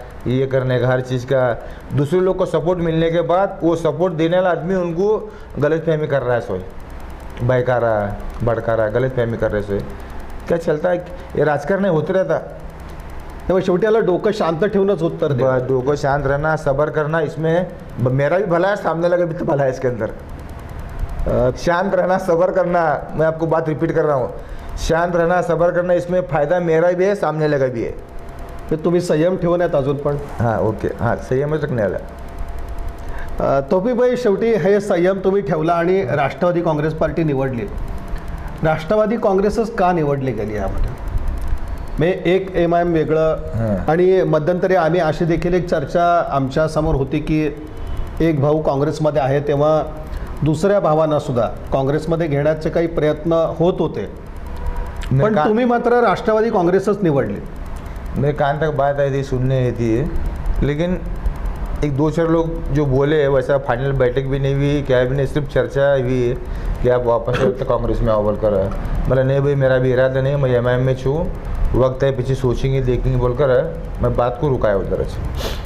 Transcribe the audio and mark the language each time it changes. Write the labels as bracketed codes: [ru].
[hi] ये करने का, हर चीज़ का। दूसरे लोग को सपोर्ट मिलने के बाद वो सपोर्ट देने वाला आदमी उनको गलत फहमी कर रहा है, सोए बहका रहा है, भड़का रहा है, गलत फहमी कर रहे सोए। क्या चलता है ये राजकारण होते रहता [mr] तो शेवटी आला डोकं शांत ठेवूनच उत्तर दे। [hi] डोकं शांत रहना, सबर करना, इसमें मेरा भी भला है, सामने लगा भी तो भला है इसके अंदर। शांत रहना, सबर करना, मैं आपको बात रिपीट कर रहा हूँ, शांत रहना, सबर करना, इसमें फायदा मेरा भी है, सामने लगा भी है। [mr] तो तुम्ही संयम ठेवून आहेत अजून पण? [hi] हां ओके, हां संयमच रखने आला। [mr] तोपी भाई शेवटी हे संयम तुम्ही ठेवला आणि राष्ट्रवादी काँग्रेस पार्टी निवडली, राष्ट्रवादी काँग्रेसच का निवडली गेली यामध्ये? मैं एक एम आय एम वेगळं आणि मध्यंतरी आम्ही अशी देखील एक चर्चा आमच्या समोर होती की एक भाऊ काँग्रेसमध्ये आहे तेव्हा दुसऱ्या भावांना सुद्धा काँग्रेसमध्ये घेण्याचे काही प्रयत्न होत होते, पण तुम्ही मात्र राष्ट्रवादी काँग्रेसच निवडली। [hi] मेरे कान तक बात आई थी, सुनने आई थी, लेकिन एक दो चार लोग जो बोले वैसा फाइनल बैठक भी नहीं हुई, क्या भी नहीं, सिर्फ चर्चा हुई कि आप वापस कांग्रेस में अवल कर। बोला नहीं भाई, मेरा भी इरादा नहीं, मैं एमआईएम में छूँ, वक्त है, पीछे सोचेंगे देखेंगे बोलकर मैं बात को रुकाया उधर से।